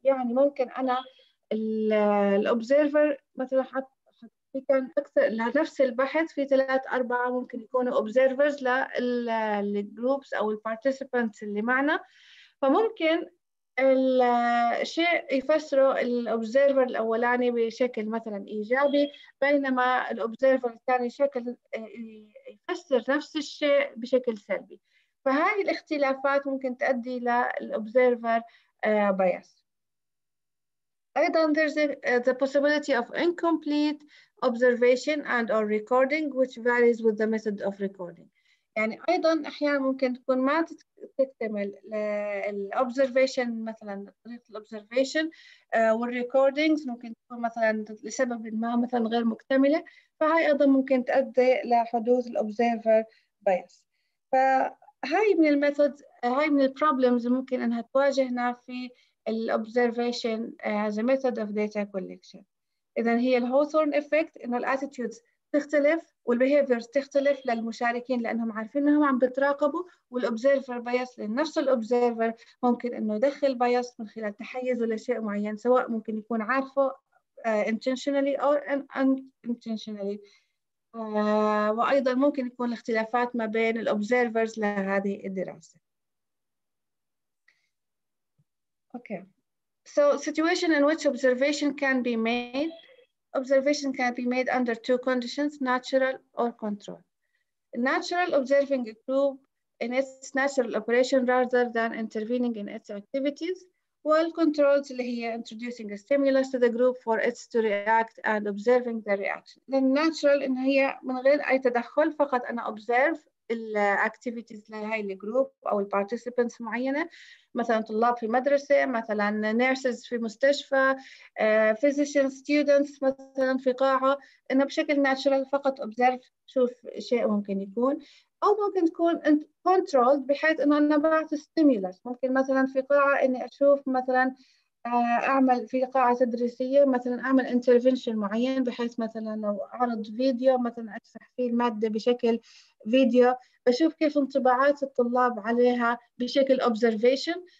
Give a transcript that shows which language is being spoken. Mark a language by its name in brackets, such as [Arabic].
[Arabic] يعني ممكن انا الobserver مثلا كان اكثر لنفس البحث في ثلاث اربعة ممكن يكونوا observers للgroups او الparticipants اللي معنا، فممكن الشيء يفسره الobserver الاولاني بشكل مثلا ايجابي، بينما الobserver الثاني شكل يفسر نفس الشيء بشكل سلبي، فهذه الاختلافات ممكن تؤدي للobserver bias. أيضا [English] there's the possibility of incomplete observation and or recording which varies with the method of recording. [Arabic] يعني أيضا أحيانا ممكن تكون ما تكتمل الـ observation مثلا طريقة الـ observation والـ recordings ممكن تكون مثلا لسبب ما مثلا غير مكتملة، فهي أيضا ممكن تؤدي لحدوث الـ observer bias. فهي من الـ methods، هاي من الـ problems ممكن أنها تواجهنا في [English] الobservation as a method of data collection. [Arabic] إذن هي الهوثورن إفكت إنه الاتيتيودز تختلف والبيهيفيرز تختلف للمشاركين لأنهم عارفين إنهم عم بتراقبوا، والأوبزيرفر بايس لأن نفس الأوبزيرفر ممكن إنه يدخل بايس من خلال تحيزه لشيء معين، سواء ممكن يكون عارفه intentionally أو unintentionally. وأيضا ممكن يكون الاختلافات ما بين الأوبزيرفرز لهذه الدراسة. [English] Okay. So situation in which observation can be made. Observation can be made under two conditions, natural or control. Natural observing a group in its natural operation rather than intervening in its activities, while controls introducing a stimulus to the group for its to react and observing the reaction. Then natural in here, [Arabic] من غير أي تدخل فقط أنا observe الاكتيفيتيز لهي الجروب او البارتيسيبنتس معينه، مثلا طلاب في مدرسه، مثلا نيرسز في مستشفى، فيزيشن ستودنتس مثلا في قاعه، انه بشكل ناتشرال فقط اوبزرف شوف شيء ممكن يكون، او ممكن تكون كنترول بحيث انه انا بعطي ستيمولس، ممكن مثلا في قاعه اني اشوف مثلا اعمل في قاعه تدريسيه مثلا اعمل انترفنشن معين بحيث مثلا لو اعرض فيديو مثلا اشرح فيه الماده بشكل فيديو بشوف كيف انطباعات الطلاب عليها بشكل observation.